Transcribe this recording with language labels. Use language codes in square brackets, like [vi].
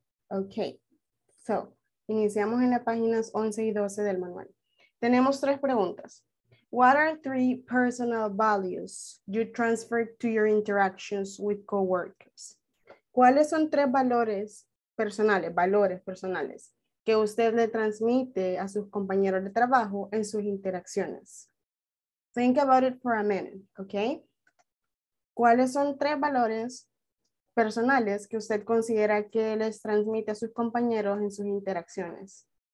[es] Okay, so, iniciamos en las páginas 11 y 12 del manual. Tenemos tres preguntas. [en] What are three personal values you transfer to your interactions with coworkers? [es] ¿Cuáles son tres valores personales, que usted le transmite a sus compañeros de trabajo en sus interacciones? [en] Think about it for a minute, okay? [es] ¿Cuáles son tres valores personales que usted considera que les transmite a sus compañeros en sus interacciones?